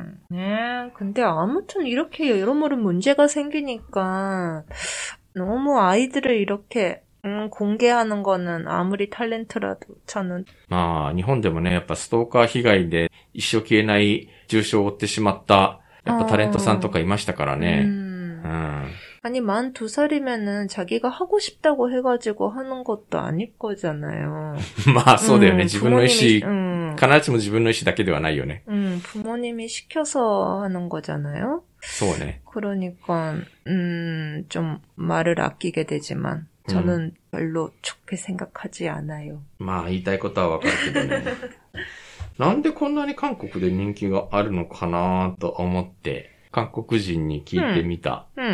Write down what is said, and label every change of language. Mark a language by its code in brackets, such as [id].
[ko] 네, 근데 아무튼 이렇게 여러모로 문제가 생기니까 너무 아이들을 이렇게 공개하는 거는 아무리 탤런트라도 저는. [ja] 아, 日本でもね、やっぱストーカー被害で一生消えない重傷を負ってしまった、やっぱタレントさんとかいましたからね。 [ko] 아니, 만두 살이면은 자기가 하고 싶다고 해가지고 하는 것도 아닐 거잖아요. [ja] まあ、そうだよね。自分の意思、必ずしも自分の意思だけではないよね。 [ko] 부모님이 시켜서 하는 거잖아요. [ja] そうね。 [ko] 그러니까, 좀 말을 아끼게 되지만. 저는 별로 좋게 생각하지 않아요. [ja] まあ言いたいことはわかるけどね。なんでこんなに韓国で人気があるのかなと思って韓国人に聞いてみた。